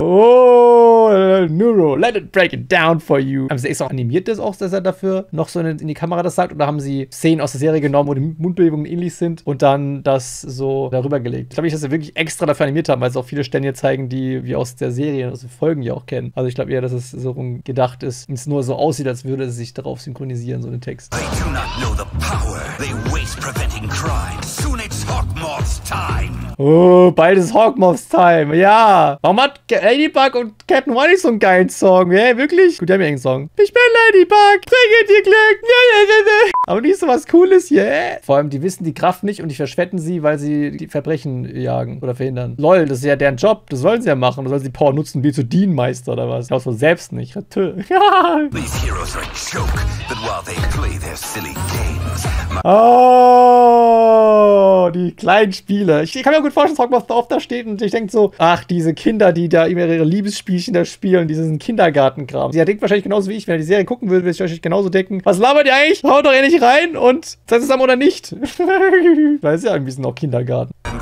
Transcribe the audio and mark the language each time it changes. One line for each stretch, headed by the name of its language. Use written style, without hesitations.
English: Oh, Neuro, let it break it down for you.
German: Haben sie extra auch animiert das auch, dass er dafür noch so in die Kamera das sagt? Oder haben sie Szenen aus der Serie genommen, wo die Mundbewegungen ähnlich sind und dann das so darüber gelegt? Ich glaube, dass sie wirklich extra dafür animiert haben, weil es auch viele Stellen hier zeigen, die wir aus der Serie, aus den Folgen ja auch kennen. Also ich glaube eher, dass es so gedacht ist und es nur so aussieht, als würde es sich darauf synchronisieren, so den Text.
English: They do not know the power. They waste preventing crime. Soon it's Hawkmoth's time. Oh, beides Hawkmoth's time.
German: Ja. Warum hat Ladybug und Captain Whitey so einen geilen Song? Hä, wirklich? Gut, die haben ja einen Song. Ich bin Ladybug, bringe dir Glück. Aber nicht so was Cooles, hä? Yeah. Vor allem, die wissen die Kraft nicht und die verschwenden sie, weil sie die Verbrechen jagen oder verhindern. Lol, das ist ja deren Job. Das sollen sie ja machen. Da sollen sie Power nutzen, wie zu Dean Meister oder was. Ich glaube so selbst nicht. Tö.
English: These heroes are a joke, but while they play their silly games.
German: Oh, die kleinen Spiele. Ich kann mir gut vorstellen, dass Hawkmoth da oft da steht und ich denke so, ach, diese Kinder, die da immer ihre Liebesspielchen da spielen, diesen Kindergartenkram. Sie denkt wahrscheinlich genauso wie ich, wenn er die Serie gucken würde, würde ich wahrscheinlich genauso denken. Was labert ihr eigentlich? Haut doch endlich rein und seid zusammen oder nicht? Weil es ja irgendwie sind auch Kindergarten.